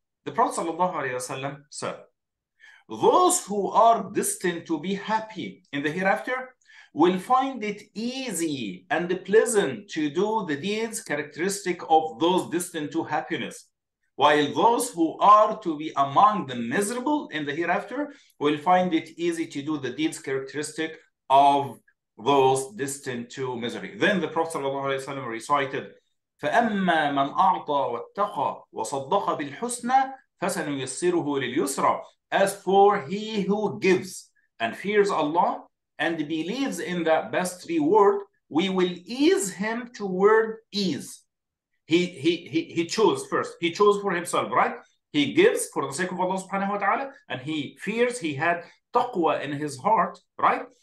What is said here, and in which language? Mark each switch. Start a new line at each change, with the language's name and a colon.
English: The Prophet ﷺ said, those who are destined to be happy in the hereafter will find it easy and pleasant to do the deeds characteristic of those destined to happiness, while those who are to be among the miserable in the hereafter will find it easy to do the deeds characteristic of those destined to misery.
Arabic: Then the Prophet ﷺ recited, فَأَمَّا مَنْ أَعْطَى وَاتَّقَى وَصَدَّقَ بِالْحُسْنَى فَسَنُيَسِّرُهُ لِلْيُسْرَى.
English: As for he who gives and fears Allah and believes in the best reward, we will ease him toward ease. He chose for himself, right? He gives for the sake of Allah subhanahu wa ta'ala, and he fears, he had taqwa in his heart, right?